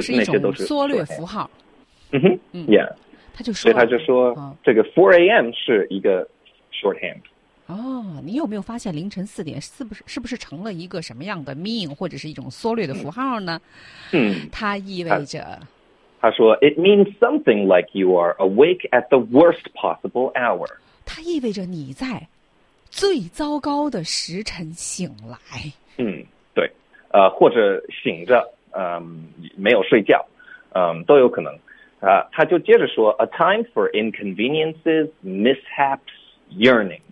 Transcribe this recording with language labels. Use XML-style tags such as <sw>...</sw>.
<zh>是一种缩略符号他就说这个 4 a.m. 是一个 shorthand 哦你有没有发现凌晨四点是不是成了一个什么样的 mean 或者是一种缩略的符号呢它意味着他说</zh> <en>it means something like you are awake at the worst possible hour</en> <zh>它意味着你在最糟糕的时辰醒来对或者醒着没有睡觉都有可能他就接着说 ，</zh> <en>a time for inconveniences, mishaps, yearning。</en>